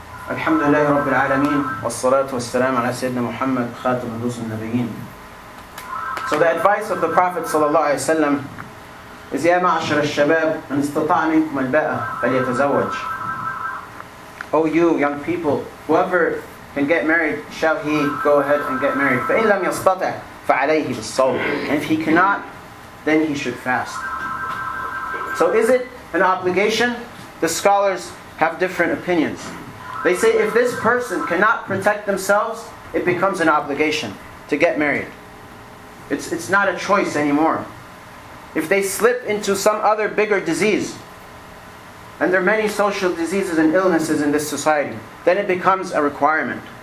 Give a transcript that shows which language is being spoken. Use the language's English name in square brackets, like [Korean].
[Arabic] الحمد لله رب العالمين والصلاة والسلام على سيدنا محمد خاتم رسل النبيين. [English] So the advice of the Prophet [Arabic] صلى الله عليه وسلم is يا معشر الشباب من استطاع منكم الباءة فليتزوج. [English] O you young people, whoever can get married, shall he go ahead and get married. [Arabic] فإن لم يستطع فعليه بالصوم. [English] And if he cannot, then he should fast. So is it an obligation? The scholars have different opinions. They say if this person cannot protect themselves, it becomes an obligation to get married. It's not a choice anymore. If they slip into some other bigger disease, and there are many social diseases and illnesses in this society, then it becomes a requirement.